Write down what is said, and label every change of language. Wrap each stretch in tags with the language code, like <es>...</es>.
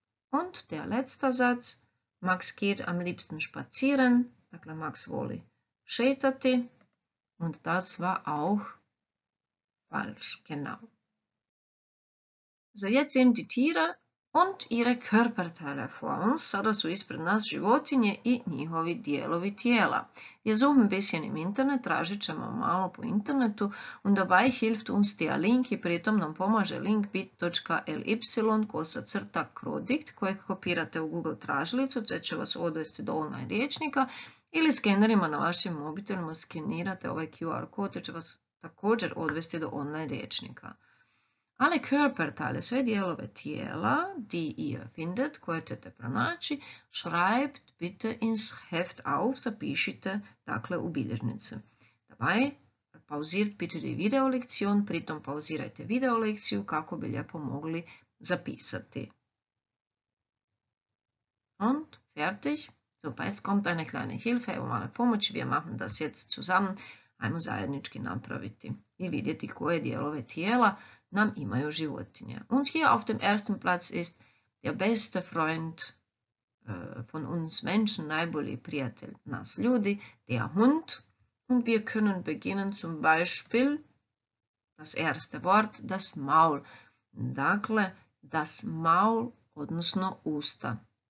<de>Und der letzte Satz, Max geht am liebsten spazieren,</de> <hr>dakle Max voli šetati</hr> <de>und das war auch falsch, genau. So, jetzt sehen die Tiere und ihre Körperteile vor uns.</de> <hr>Sada su ispred nas životinje i njihovi dijelovi tijela.</hr> <de>Wir suchen ein bisschen im Internet,</de> <hr>tražit ćemo malo po internetu.</hr> <de>Und dabei hilft uns der Link</de> <hr>i pritom nam pomaže link bit.ly/crodict kojeg kopirate u Google tražilicu, te će vas odvesti do online rječnika ili skenerima na vašim mobitelima skenirate ovaj QR kod, te će vas također odvesti do online rječnika.</hr> <de>Alle Körperteile,</de> <hr>sve dijelove tijela,</hr> <de>die ihr findet,</de> <hr>koje ćete pronaći,</hr> <de>schreibt bitte ins Heft auf,</de> <hr>zapišite, dakle, u bilježnicu.</hr> <de>Dabei pausiert bitte die Videolektion,</de> <hr>pritom pauzirajte videolekciju kako bi lijepo mogli zapisati.</hr> <de>Und fertig. So, jetzt kommt eine kleine Hilfe,</de> <hr>evo male pomoći,</hr> <de>wir machen das jetzt zusammen.</de> <hr>Ajmo zajednički napraviti i vidjeti koje dijelove tijela nam imaju životinje.</hr> <de>Und hier auf dem ersten Platz ist der beste Freund von uns Menschen,</de> <hr>najbolji prijatelj nas ljudi,</hr> <de>der Hund. Und wir können beginnen zum Beispiel das erste Wort, das Maul.</de> <hr>Dakle, das Maul, odnosno usta.</hr>